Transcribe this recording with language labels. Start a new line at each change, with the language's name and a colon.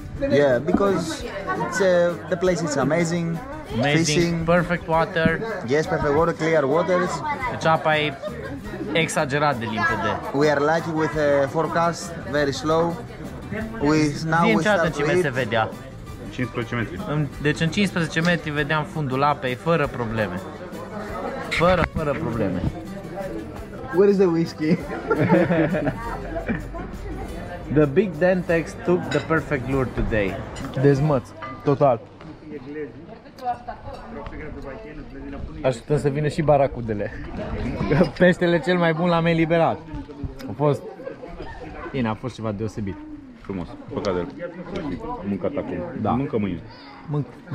English: Yeah, because it's the place is amazing. Amazing, fishing. Perfect water. Yes, perfect water, clear waters.
Romanian: Deci apa e exagerat de limpede.
English: We are lucky with a forecast, very slow.
Romanian: Zi-mi ce adâncime se vedea? 15 metri. Deci în 15 metri vedeam fundul apei fără probleme. Fără probleme.
English: Where is the whiskey? The big dentex took the perfect lure today.
Romanian: Dezmăț, total. Așteptăm să vină și baracudele. Peștele cel mai bun l-am eliberat. A fost... Bine, a fost ceva deosebit. Frumos, păcat de-l. Am mâncat acum. Da. Mâncă mâine. Mânc.